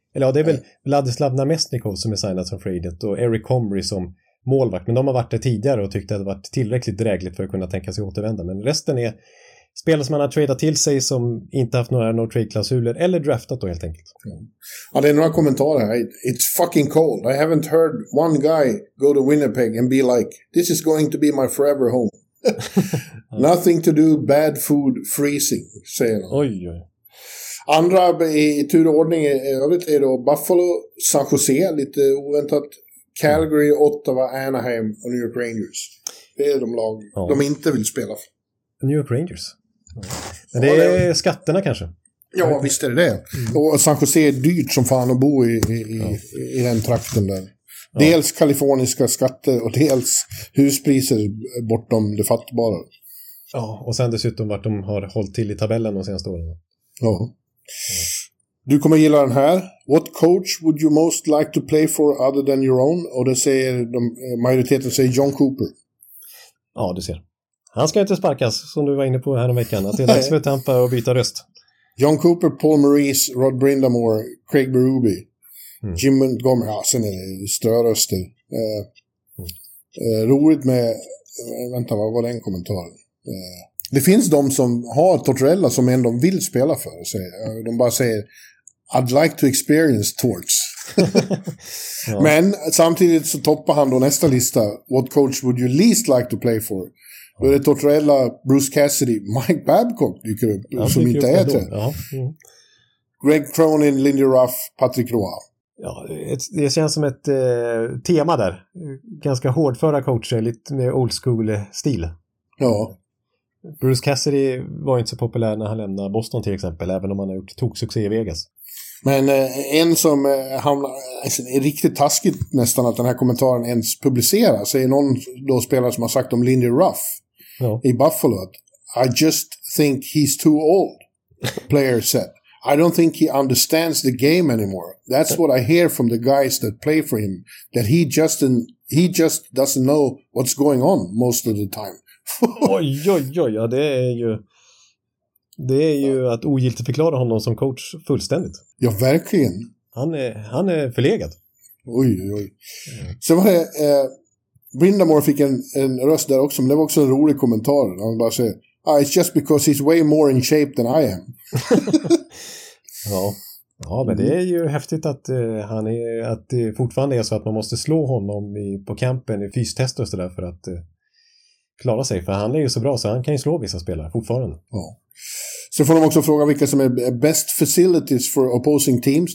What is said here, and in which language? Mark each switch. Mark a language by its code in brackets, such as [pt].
[sv] Eller ja, det är väl Vladislav Namestnikov som är signad som free agent och Eric Comrie som målvakt, men de har varit där tidigare och tyckte att det varit tillräckligt drägligt för att kunna tänka sig återvända, men resten är spelare som man har tradat till sig som inte haft några no-trade-klausuler eller draftat då helt enkelt. Ja, det är några kommentarer här. [en] It's fucking cold. I haven't heard one guy go to Winnipeg and be like, this is going to be my forever home. Nothing to do, bad food, freezing, [sv] säger han. Oj, oj. Andra i tur och ordning övrigt är då Buffalo, San Jose, lite oväntat, Calgary, Ottawa, Anaheim och New York Rangers. Det är de lag de inte vill spela för. New York Rangers. Men det är skatterna kanske. Ja, visst är det det. Och San Jose är dyrt som fan att bo i den trakten där. Dels kaliforniska skatter och dels huspriser bortom det fattbara. Ja, och sen dessutom vart de har hållit till i tabellen de senaste åren. Ja. Du kommer gilla den här. [en] What coach would you most like to play for other than your own? [sv] Och det säger majoriteten, säger John Cooper. Ja, du ser. Han ska inte sparkas, som du var inne på här om veckan. Att det är dags för Tampa och byta röst. John Cooper, Paul Maurice, Rod Brindamore, Craig Berube, Jim Montgomery. Ja, sen är det störröster. Roligt med... Vänta, vad var den kommentaren? Det finns de som har Tortorella som ändå vill spela för. Så de bara säger, [en] I'd like to experience torts. [sv] Ja. Men samtidigt så toppar han då nästa lista. [en] What coach would you least like to play for? [sv] Då är det Tortorella, Bruce Cassidy, Mike Babcock dyker upp, ja, som inte är det. Ja. Greg Cronin, Lindy Ruff, Patrick Roy. Ja, det känns som ett tema där. Ganska hårdföra coacher, lite med old school-stil. Ja. Bruce Cassidy var inte så populär när han lämnade Boston till exempel, även om han har gjort toksuccé i Vegas. Men en som är riktigt taskigt nästan att den här kommentaren ens publiceras är någon då spelare som har sagt om Lindy Ruff i Buffalo att [en] I just think he's too old, player said. I don't think he understands the game anymore. That's what I hear from the guys that play for him, that he just doesn't know what's going on most of the time. [sv] Oj, oj, oj, ja, det är ju... Det är ju att ogiltigt förklara honom som coach fullständigt. Ja, verkligen. Han är förlegad. Oj, oj, oj. Så var det... Brindamore fick en röst där också, men det var också en rolig kommentar. Han bara säger, [en] it's just because he's way more in shape than I am. [sv] Ja, men det är ju häftigt att, att det fortfarande är så att man måste slå honom på campen i fystester och sådär för att... klara sig, för han är ju så bra så han kan ju slå vissa spelare fortfarande. Ja. Så får de också fråga vilka som är [en] best facilities for opposing teams.